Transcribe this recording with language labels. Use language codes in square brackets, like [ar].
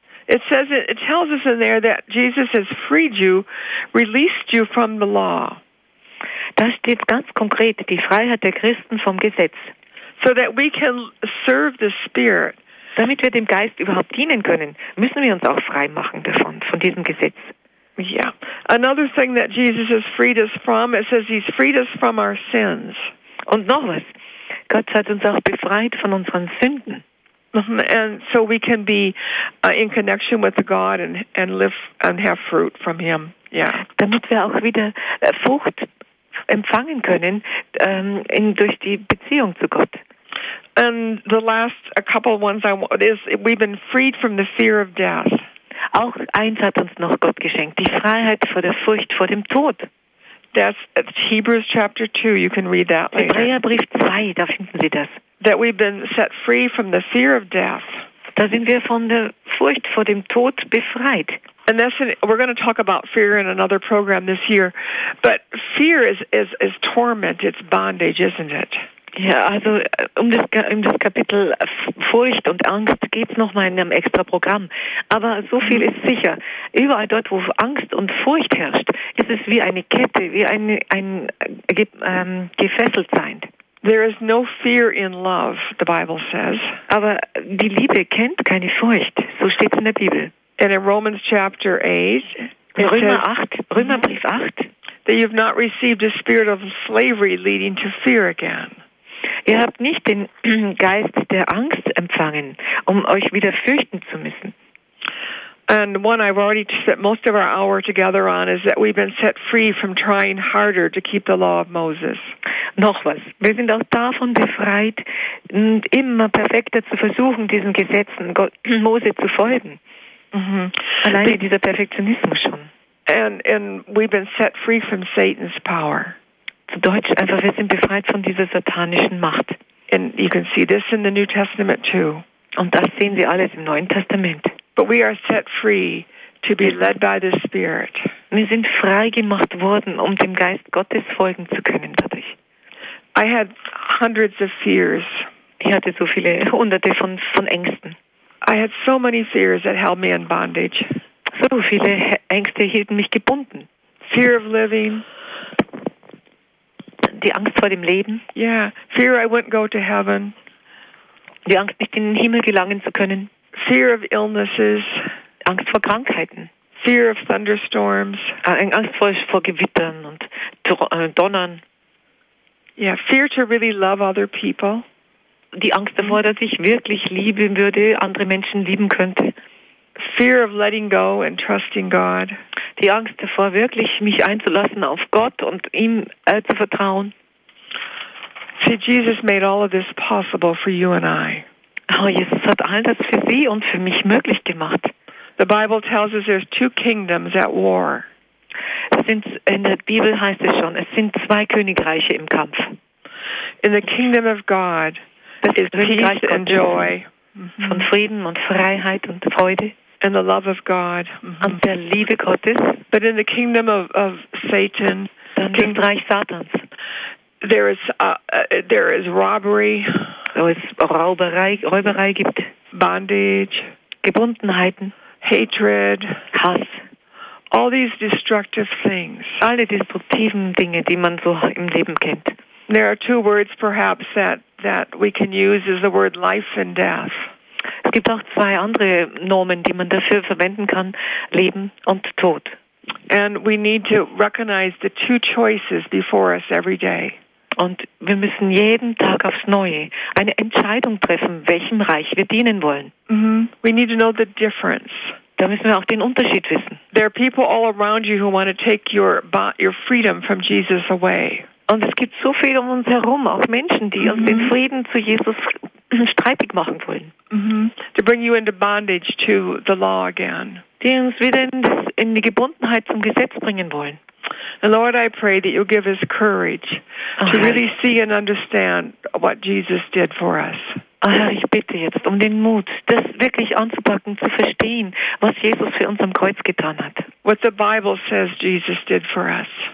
[en] It tells us in there that Jesus has freed you, released you from the law. [de] Da steht ganz konkret, die Freiheit der Christen vom Gesetz. [en] So that we can serve the Spirit. [de] Damit wir dem Geist überhaupt dienen können, müssen wir uns auch frei machen davon, von diesem Gesetz. [en] Yeah. Another thing that Jesus has freed us from, it says he's freed us from our sins. [de] Und noch was. Gott hat uns auch befreit von unseren Sünden. [en] And so we can be in connection with God and live and have fruit from him. Yeah. [de] Damit wir auch wieder Frucht empfangen können durch die Beziehung zu Gott. [en] And the last couple of ones is we've been freed from the fear of death. [de] Auch eins hat uns noch Gott geschenkt, die Freiheit vor der Furcht vor dem Tod. [en] That's Hebrews chapter 2. You can read that later. [de] Hebräerbrief 2, da finden Sie das. [en] That we've been set free from the fear of death. [de] Da sind wir von der Furcht vor dem Tod befreit. [en] And that's we're going to talk about fear in another program this year. But fear is torment, it's bondage, isn't it? [de] Ja, also um das Kapitel Furcht und Angst geht's noch mal in einem extra Programm. Aber so viel ist sicher. Überall dort, wo Angst und Furcht herrscht, ist es wie eine Kette, wie ein gefesselt sein. [en] There is no fear in love, the Bible says. [de] Aber die Liebe kennt keine Furcht. So steht's in der Bibel. [en] And in Romans chapter 8, [de] Römerbrief 8, [en] that you have not received a spirit of slavery leading to fear again. [de] Ihr habt nicht den Geist der Angst empfangen, um euch wieder fürchten zu müssen. [en] And one I've already spent most of our hour together on is that we've been set free from trying harder to keep the law of Moses. [de] Noch was. Wir sind auch davon befreit, immer perfekter zu versuchen, diesen Gesetzen Mose zu folgen. Mm-hmm. Alleine dieser Perfektionismus schon. [en] And we've been set free from Satan's power. [de] Zu Deutsch einfach, wir sind befreit von dieser satanischen Macht. [en] And you can see this in the New Testament too. [de] Und das sehen Sie alles im Neuen Testament. [en] But we are set free to be led by the Spirit. [de] Wir sind frei gemacht worden, um dem Geist Gottes folgen zu können dadurch. [en] I had hundreds of fears. [de] Ich hatte so viele hunderte von Ängsten. [en] I had so many fears that held me in bondage. [de] So viele Ängste hielten mich gebunden. [en] Fear of living. [de] Die Angst vor dem Leben. [en] Yeah, fear I wouldn't go to heaven. [de] Die Angst, nicht in den Himmel gelangen zu können. [en] Fear of illnesses. [de] Angst vor Krankheiten. [en] Fear of thunderstorms. [de] Angst vor Gewittern und Donnern. [en] Yeah, fear to really love other people. [de] Die Angst davor, dass ich wirklich lieben würde, andere Menschen lieben könnte. [en] Fear of letting go and trusting God. [de] Die Angst davor, wirklich mich einzulassen auf Gott und ihm zu vertrauen. [en] See, Jesus made all of this possible for you and I. [de] Oh, Jesus hat all das für Sie und für mich möglich gemacht. [en] The Bible tells us there's two kingdoms at war. [de] In der Bibel heißt es schon, es sind zwei Königreiche im Kampf. [en] In the kingdom of God, [de] das ist [en] Peace and joy. [de] Von Frieden und Freiheit und Freude. [en] And the love of God. [de] Und der Liebe Gottes. [en] But in the kingdom of Satan, [de] dann im Reich Satans. [en] There is robbery. [de] Wo es Räuberei gibt. [en] Bondage. [de] Gebundenheiten. [en] Hatred. [de] Hass. [en] All these destructive things. [de] Alle destruktiven Dinge, die man so im Leben kennt. [en] There are two words perhaps that we can use is the word life and death. [de] Es gibt auch zwei andere Nomen, die man dafür verwenden kann, Leben und Tod. [en] And we need to recognize the two choices before us every day. [de] Und wir müssen jeden Tag aufs Neue eine Entscheidung treffen, welchem Reich wir dienen wollen. [en] Mm-hmm. We need to know the difference. [de] Da müssen wir auch den Unterschied wissen. [en] There are people all around you who want to take your freedom from Jesus away. [de] Und es gibt so viel um uns herum, auch Menschen, die uns den Frieden zu Jesus streitig machen wollen. Mm-hmm. [en] To bring you into bondage to the law again. [de] Die uns wieder in die Gebundenheit zum Gesetz bringen wollen. [en] And Lord, I pray that you'll give us courage to really see and understand what Jesus did for us. [de] Oh Herr, ich bitte jetzt um den Mut, das wirklich anzupacken, zu verstehen, was Jesus für uns am Kreuz getan hat. [en] What the Bible says Jesus did for us.